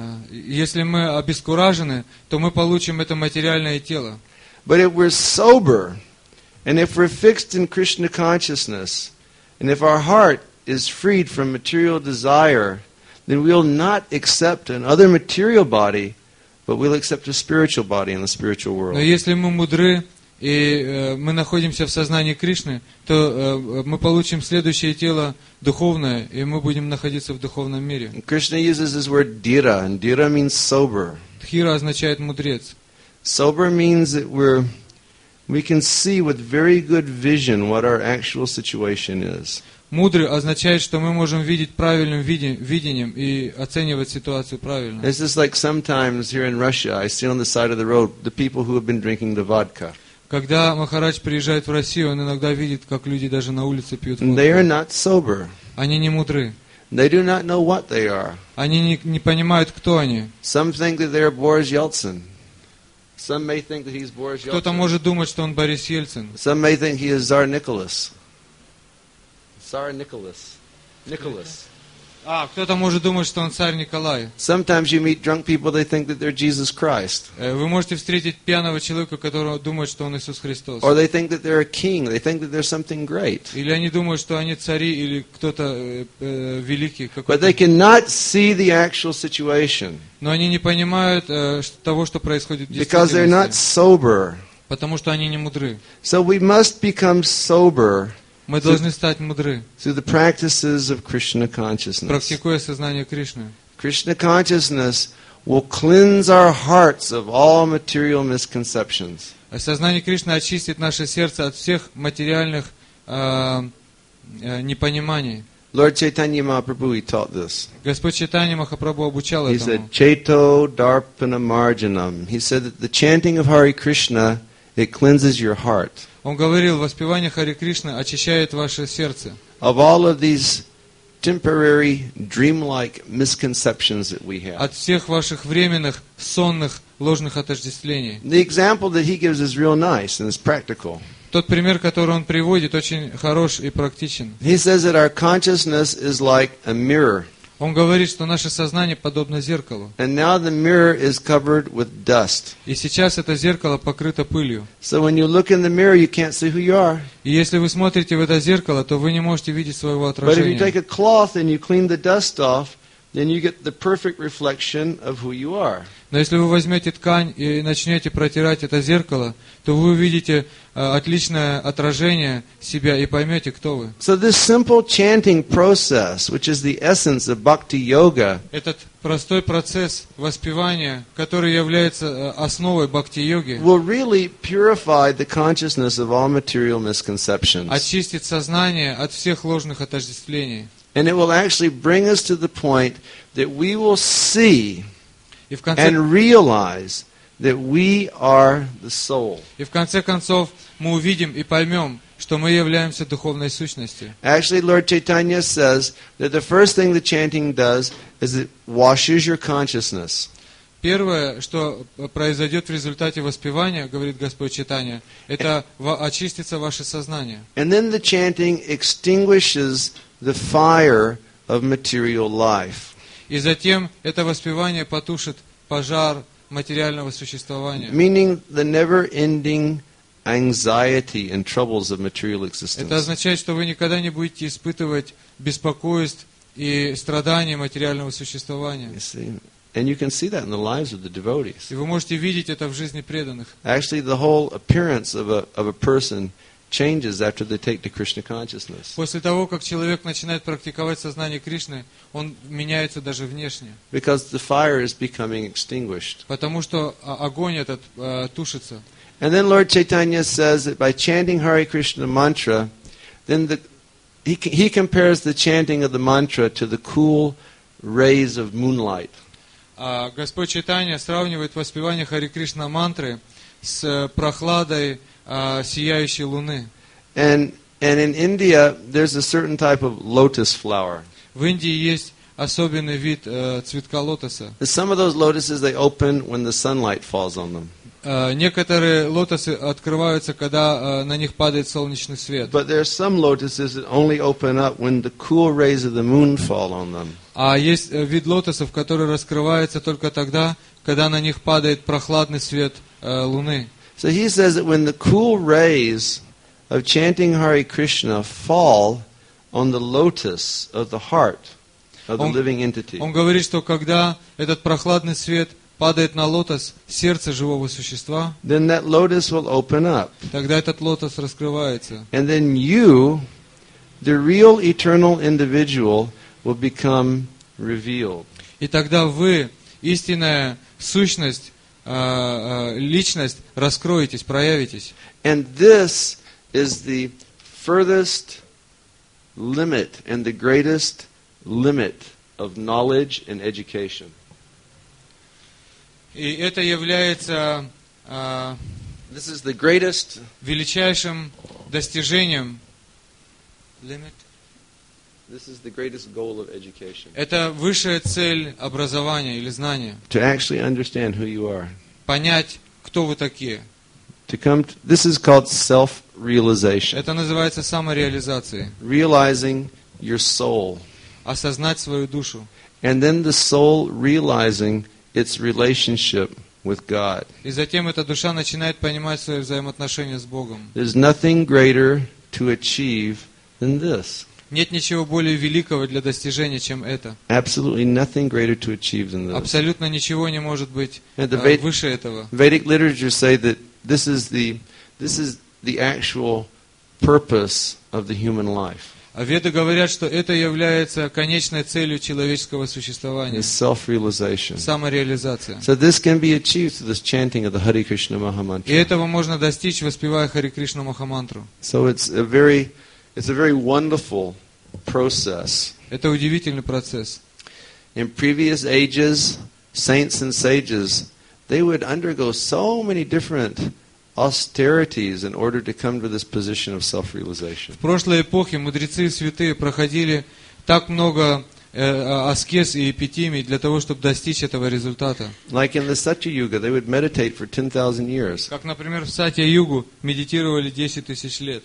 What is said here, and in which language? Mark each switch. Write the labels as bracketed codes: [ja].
[ru] Если мы обескуражены, то мы получим это материальное тело. [en] But if we're sober, and if we're fixed in Krishna consciousness, and if our heart is freed from material desire, then we'll not accept another material body, but we'll accept a spiritual body in the spiritual world. [ru] Но если мы мудры и мы находимся в сознании Кришны, то мы получим следующее тело духовное, и мы будем находиться в духовном мире. [en] Krishna uses this word dhira, and dhira means sober. [ru] Dhira означает мудрец. [en] Sober means that we can see with very good vision what our actual situation is. [ru] Мудрый означает, что мы можем видеть правильным видением и оценивать ситуацию правильно. [en] This is like sometimes here in Russia, I see on the side of the road the people who have been drinking the vodka. [ru] Когда Махарадж приезжает в Россию, он иногда видит, как люди даже на улице пьют водку. [en] They are not sober. [ru] Они не мудры. [en] They do not know what they are. [ru] Они не понимают, кто они. [en] Some think that they are Boris Yeltsin. Some may think that he is Boris Yeltsin. [ru] Кто-то может думать, что он Борис Ельцин. [en] Some may think he is Tsar Nicholas. Tsar Nicholas. Nicholas. [ru] А, кто-то может думать, что он царь Николай. [en] Sometimes you meet drunk people, they think that they're Jesus Christ. [ru] Вы можете встретить пьяного человека, который думает, что он Иисус Христос. [en] Or they think that they're a king, they think that they're something great. [ru] Или они думают, что они цари или кто-то великий какой-то. [en] But they cannot see the actual situation. [ru] Но они не понимают того, что происходит в действительности. [en] Because they're not sober. [ru] потому что они не мудры. [en] So we must become sober. [ru] Мы должны стать мудры. [en] Through the practices of Krishna consciousness. [ru] Практикуя сознание Кришны. [en] Krishna consciousness will cleanse our hearts of all material misconceptions. [ru] Сознание Кришны очистит наше сердце от всех материальных непониманий. [en] Lord Chaitanya Mahaprabhu, he taught this. [ru] Господь Чайтанья Махапрабху обучал этому. [en] He said, [sa] "Chaito Darpana Marjanam." [en] He said that the chanting of Hare Krishna, it cleanses your heart. [ru] Он говорил, воспевание Харе Кришны очищает ваше сердце. [en] Of all of these temporary, dreamlike misconceptions that we have. [ru] От всех ваших временных, сонных, ложных отождествлений. [en] The example that he gives is real nice and it's practical. [ru] Тот пример, который он приводит, очень хорош и практичен. [en] He says that our consciousness is like a mirror. [ru] Он говорит, что наше сознание подобно зеркалу. [en] And now the mirror is covered with dust. [ru] И сейчас это зеркало покрыто пылью. [en] So when you look in the mirror, you can't see who you are. [ru] И если вы смотрите в это зеркало, то вы не можете видеть своего отражения. [en] But if you take a cloth and you clean the dust off, then you get the perfect reflection of who you are. [ru] Но если вы возьмете ткань и начнете протирать это зеркало, то вы увидите отличное отражение себя и поймете, кто вы. [en] So this simple chanting process, which is the essence of bhakti yoga, [ru] этот простой процесс воспевания, который является основой бхакти йоги, [en] will really purify the consciousness of all material misconceptions. [ru] Очистит сознание от всех ложных отождествлений. [en] And it will actually bring us to the point that we will see and realize that we are the soul. [ru] И в конце концов мы увидим и поймем, что мы являемся духовной сущностью. [en] Actually, Lord Chaitanya says that the first thing the chanting does is it washes your consciousness. [ru] Первое, что произойдет в результате воспевания, говорит Господь Чайтанья, это очистится ваше сознание. [en] And then the chanting extinguishes the fire of material life. [ru] И затем это воспевание потушит пожар материального существования. [en] Meaning the never-ending anxiety and troubles of material existence. [ru] Это означает, что вы никогда не будете испытывать беспокойств и страданий материального существования. [en] And you can see that in the lives of the devotees. [ru] И вы можете видеть это в жизни преданных. [en] Actually, the whole appearance of a person changes after they take the Krishna consciousness. [ru] После того, как человек начинает практиковать сознание Кришны, он меняется даже внешне. [en] Because the fire is becoming extinguished. [ru] Потому что огонь этот тушится. [en] And then Lord Chaitanya says that by chanting Hare Krishna mantra, then he compares the chanting of the mantra to the cool rays of moonlight. [ru] Господь Чайтанья сравнивает воспевание Харе Кришна мантры с прохладой сияющей луны. [en] And in India there's a certain type of lotus flower. [ru] В Индии есть особенный вид цветка лотоса. [en] Some of those lotuses they open when the sunlight falls on them. [ru] Некоторые лотосы открываются, когда на них падает солнечный свет. [en] But there are some lotuses that only open up when the cool rays of the moon fall on them. [ru] А есть вид лотосов, которые раскрываются только тогда, когда на них падает прохладный свет луны. [en] So he says that when the cool rays of chanting Hare Krishna fall on the lotus of the heart of the living entity. [ru] Он говорит, что когда этот прохладный свет падает на лотос сердца живого существа, [en] then that lotus will open up. [ru] Тогда этот лотос раскрывается. [en] And then you, the real eternal individual, will become revealed. [ru] И тогда вы, истинная сущность, личность, раскроетесь, проявитесь. [en] And this is the furthest limit and the greatest limit of knowledge and education. [ru] И это является [en] this is the greatest [ru] величайшим достижением limit. [en] This is the greatest goal of education. [ru] Это высшая цель образования или знания. [en] To actually understand who you are. [ru] Понять, кто вы такие. [en] This is called self-realization. [ru] Это называется самореализацией. [en] Realizing your soul. [ru] Осознать свою душу. [en] And then the soul realizing its relationship with God. [ru] И затем эта душа начинает понимать свои взаимоотношения с Богом. [en] There's nothing greater to achieve than this. [ru] Нет ничего более великого для достижения, чем это. [en] Absolutely nothing greater to achieve than this. [ru] Абсолютно ничего не может быть выше этого. [en] Vedic literature say that This is the actual purpose of the human life. [ru] Веды говорят, что это является конечной целью человеческого существования. [en] It's self-realization. [ru] Самореализация. [en] So this can be achieved through this chanting of the Hare Krishna Maha Mantra. [ru] И этого можно достичь, воспевая Хари Кришну Махамантру. [en] So it's a very wonderful process. [ru] Это удивительный процесс. [en] In previous ages, saints and sages, they would undergo so many different austerities in order to come to this position of self-realization. [ru] В прошлой эпохе мудрецы и святые проходили так много аскез и эпитимий для того, чтобы достичь этого результата. [en] Like in the Satya Yuga, they would meditate for 10,000 years. [ru] Как, например, в Сатья Югу медитировали 10,000 лет.